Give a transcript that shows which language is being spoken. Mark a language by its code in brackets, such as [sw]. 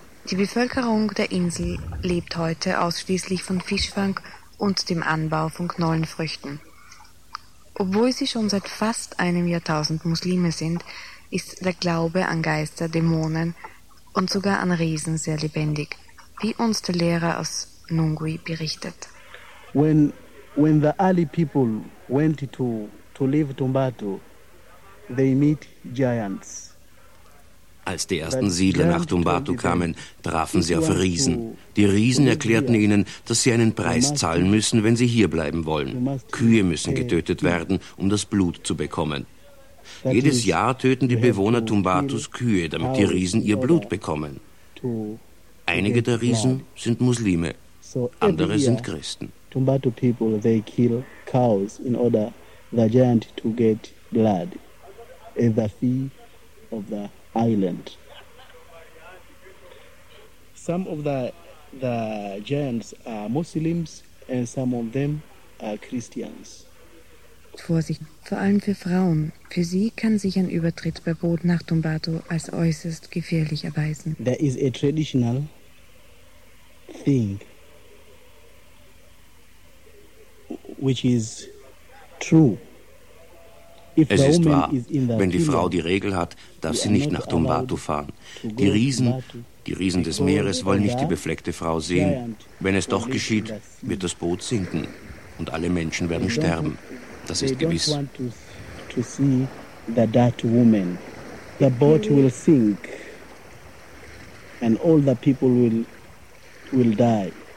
[de] Die Bevölkerung der Insel lebt heute ausschließlich von Fischfang und dem Anbau von Knollenfrüchten. Obwohl sie schon seit fast einem Jahrtausend Muslime sind, ist der Glaube an Geister, Dämonen und sogar an Riesen sehr lebendig, wie uns der Lehrer aus Nungui berichtet. [en] When the early people went to leave Tumbato, they meet giants. [de] Als die ersten Siedler nach Tumbato kamen, trafen sie auf Riesen. Die Riesen erklärten ihnen, dass sie einen Preis zahlen müssen, wenn sie hier bleiben wollen. Kühe müssen getötet werden, um das Blut zu bekommen. Jedes Jahr töten die Bewohner Tumbatos Kühe, damit die Riesen ihr Blut bekommen. Einige der Riesen sind Muslime, andere sind Christen. [en] Tumbato people, they kill cows in order the giant to get blood as the fee of the island. Some of the giants are Muslims and some of them are Christians. [de] Vorsicht, vor allem für Frauen. Für sie kann sich ein Übertritt per Boot nach Tumbato als äußerst gefährlich erweisen. [en] There is a traditional thing which is true. [de] Es ist wahr, wenn die Frau die Regel hat, darf sie nicht nach Tumbato fahren. Die Riesen des Meeres wollen nicht die befleckte Frau sehen. Wenn es doch geschieht, wird das Boot sinken und alle Menschen werden sterben. Das ist gewiss. [en] They don't want to see the dirty woman. The boat will sink and all the people will die.